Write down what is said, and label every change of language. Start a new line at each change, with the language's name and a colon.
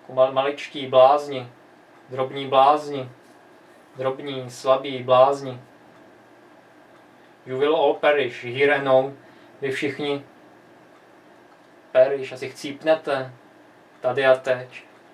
Czech: Maličtí blázni, drobní blázni, drobní, slabí blázni.
English: You will all perish, here and now.
Czech: Vy všichni perish, asi chcípnete, tady a teď.